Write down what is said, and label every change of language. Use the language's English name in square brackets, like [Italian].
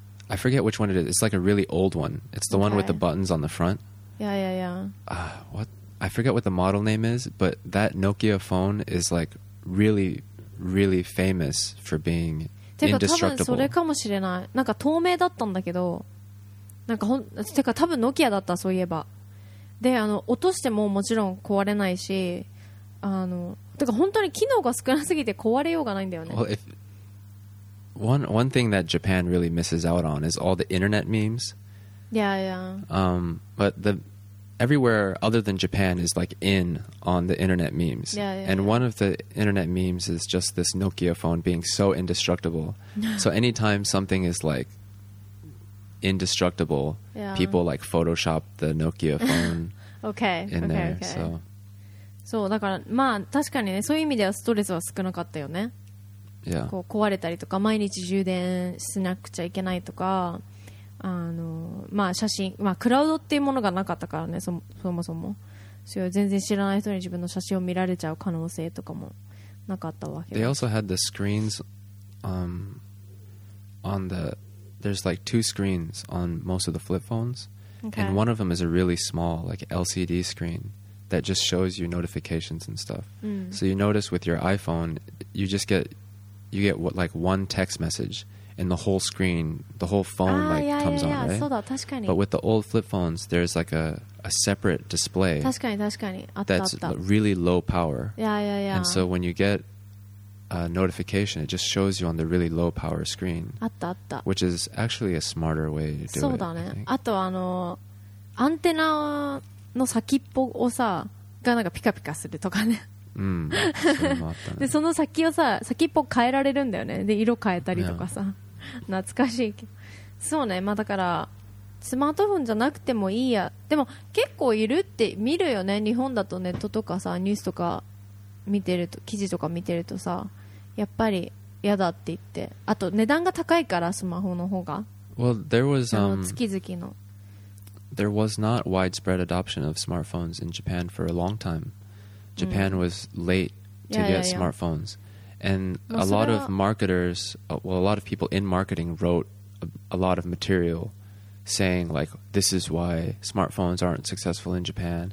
[English] I forget which one it is. It's like a really old one. It's the one with the buttons on the front. Yeah. What? I forget what the model name is, but that Nokia phone is like really, really famous for being indestructible. [Japanese] てか多分それかもしれない。なんか透明だったんだけど。なんかてか多分ノキアだった、そういえば。で落としてももちろん壊れないし、てか本当に機能が少なすぎて壊れようがないんだよね。 [English] Well, one thing that Japan really misses out on is all the internet memes. Yeah. But the everywhere other than Japan is like in on the internet memes. Yeah. And one of the internet memes is just this Nokia phone being so indestructible. So anytime something is likeindestructible, yeah. People like Photoshop the Nokia phone okay, in okay, there. Okay. So, [Japanese] so, だからまあ確かにね、そういう意味ではストレスは少なかったよね。 [English] Yeah. [Japanese] こう壊れたりとか、毎日充電しなくちゃいけないとか、まあ写真、まあクラウドっていうものがなかったからね、そもそも。そういう全然知らない人に自分の写真を見られちゃう可能性とかもなかったわけ。 [English] They also had the screens, on the. There's like two screens on most of the flip phones, okay. And one of them is a really small, like LCD screen that just shows you notifications and stuff. Mm. So you notice with your iPhone, you get what, like one text message, and the whole screen, the whole phone comes on, right? [Japanese] そうだ、確かに。 [English] But with the old flip phones, there's like a separate display. [Japanese] 確かに、確かに。あった、あった。 [English] That's really low power. Yeah. And so when you get a notification, it just shows you on the really low power screen. [Japanese] あったあった。 [English] Which is actually a smarter way to do it. [Japanese] そうだね。あとアンテナの先っぽをさ、がなんかピカピカするとかね。うん。それもあったね。で、その先をさ、先っぽ変えられるんだよね。で、色変えたりとかさ。Yeah. 懐かしい。そうね。まあだから、スマートフォンじゃなくてもいいや。でも、結構いるって見るよね。日本だとネットとかさ、ニュースとか。見てると記事とか見てるとさ、やっぱり嫌だって言って、あと値段が高いからスマホの方が、 [English] well, there was, [Japanese] 月々の [English] There was not widespread adoption of smartphones in Japan for a long time. Japan、うん、was late to get smartphones. And a lot of marketers, well, a lot of people in marketing wrote a lot of material saying like, this is why smartphones aren't successful in Japan.、